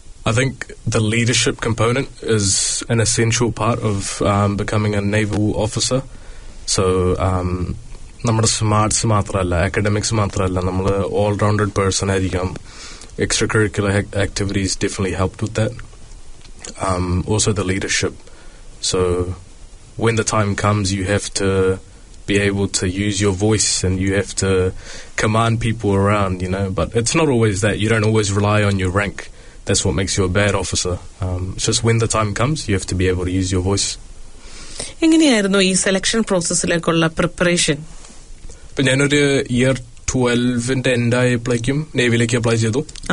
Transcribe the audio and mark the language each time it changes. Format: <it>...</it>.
<en>I think the leadership component is an essential part of becoming a naval officer.</en> <ml>So നമ്മുടെ smarts മാത്രമല്ല, academics മാത്രമല്ല, നമ്മൾ ഓൾറൗണ്ടഡ് person ആയിരിക്കാം.</ml> <en>Extracurricular activities definitely help with that. Also the leadership. So when the time comes, you have to be able to use your voice and you have to command people around, you know. But it's not always that. You don't always rely on your rank. That's what makes you a bad officer. It's just when the time comes, you have to be able to use your voice.</en> <ml>എങ്ങനെയായിരുന്നു ഈ selection പ്രോസസ്സിലേക്കുള്ള preparation? ഇപ്പൊ ഞാനൊരു year 12 end ആയപ്പോഴേക്കും നേവിയിലേക്ക് apply ചെയ്തു.</ml>